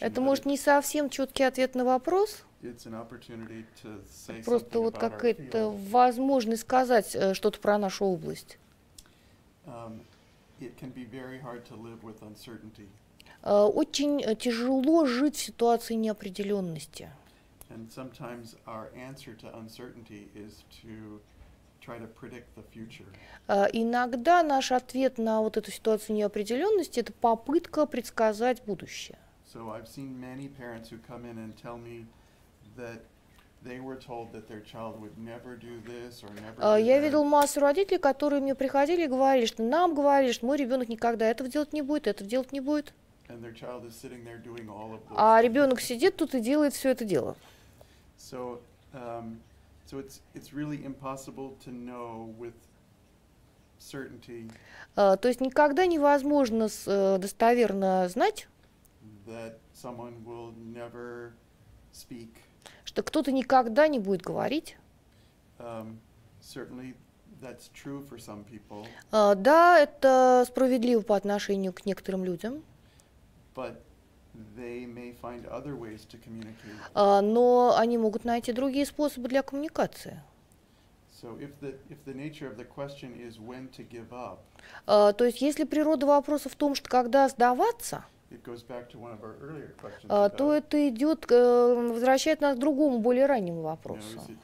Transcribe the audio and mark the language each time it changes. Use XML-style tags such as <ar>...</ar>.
<ru>Это может не совсем четкий ответ на вопрос.</ru> <en>It's an opportunity to say.</en> <ru>Просто вот какая-то возможность сказать что-то про нашу область.</ru> <en>It can be very hard to live with uncertainty.</en> <ru>Очень тяжело жить в ситуации неопределенности.</ru> <en>And sometimes our answer to uncertainty is to try to predict the future.</en> <ru>Иногда наш ответ на вот эту ситуацию неопределенности — это попытка предсказать будущее.</ru> <en>So I've seen many parents who come in and tell me that they were told that their child would never do this or never do that.</en> <ru>Я видел массу родителей, которые мне приходили и говорили, что нам говорили, что мой ребенок никогда этого делать не будет, этого делать не будет.</ru> <en>And their child is sitting there doing all of this.</en> <ru>А ребенок сидит тут и делает все это дело.</ru> <en>So, so it's really impossible to know with certainty.</en> <ru>То есть никогда невозможно достоверно знать,</ru> <en>that someone will never speak.</en> <ru>Что кто-то никогда не будет говорить.</ru> <en>Certainly that's true for some people.</en> <ru>Да, это справедливо по отношению к некоторым людям.</ru> <en>But they may find other ways to communicate.</en> <ru>Но они могут найти другие способы для коммуникации.</ru> <en>So if the nature of the question is when to give up.</en> <ru>То есть если природа вопроса в том, что когда сдаваться,</ru> <en>it goes back to one of our earlier questions.</en> <ru>То это идет, возвращает нас к другому, более раннему вопросу.</ru>